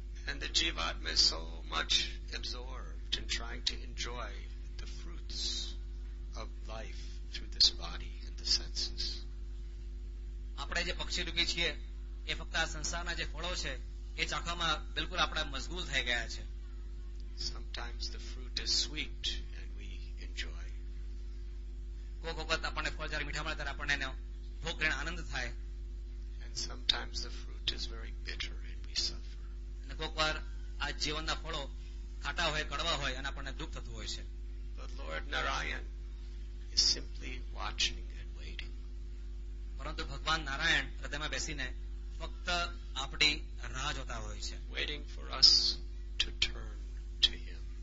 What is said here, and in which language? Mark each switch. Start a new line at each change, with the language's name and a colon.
English: And the jivatma is so much absorbed in trying to enjoy the fruits of life through this body and the senses.
Gujarati: આપણે જે પક્ષી રૂપી છીએ એ ફક્ત આ સંસારના જે ફળો છે એ ચાખવામાં બિલકુલ આપણે મજબૂત થઈ ગયા છે.
English: Sometimes the fruit is sweet and we enjoy.
Gujarati: કોક વખત આપણને ફળ જયારે મીઠા મળે ત્યારે આપણને એનો ભોગ કરીને આનંદ થાય.
English: And sometimes the fruit is very bitter and we suffer.
Gujarati: અને કોક વાર આ જીવનના ફળો ખાટા હોય, કડવા હોય અને આપણને દુઃખ થતું હોય છે.
English: But Lord Narayan is simply watching.
Gujarati: પરંતુ ભગવાન નારાયણ હૃદયમાં બેસીને ફક્ત આપણી રાહ જોતા હોય છે.
English: Waiting for us to turn to him.